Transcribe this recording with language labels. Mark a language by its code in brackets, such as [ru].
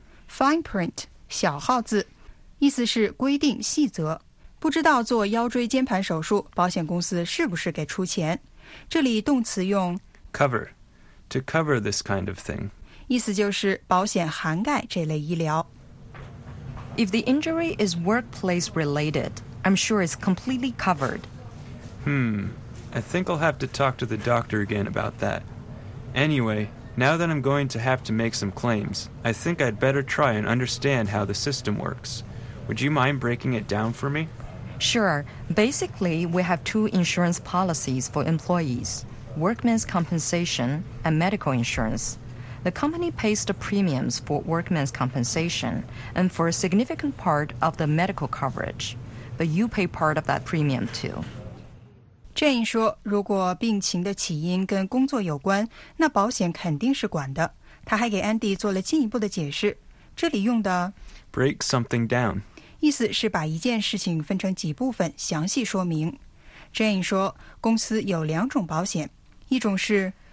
[en] Fine print, [zh] 小号字,意思是规定细则。不知道做腰椎间盘手术，保险公司是不是给出钱？这里动词用 [en] cover, to cover this kind of thing. [zh] 意思就是保险涵盖这类医疗。 [en] If the injury is workplace related, I'm sure it's completely covered. I think I'll have to talk to the doctor again about that. Anyway, now that I'm going to have to make some claims, I think I'd better try and understand how the system works. Would you mind breaking it down for me? Sure. Basically, we have two insurance policies for employees, workmen's compensation and medical insurance. The company pays the premiums for workmen's compensation and for a significant part of the medical coverage. But you pay part of that premium too. [zh] Jane 说，如果病情的起因跟工作有关，那保险肯定是管的。她还给 Andy 做了进一步的解释。这里用的 [en] break something down. [zh] 意思是把一件事情分成几部分详细说明。Jane 说公司有两种保险。一种是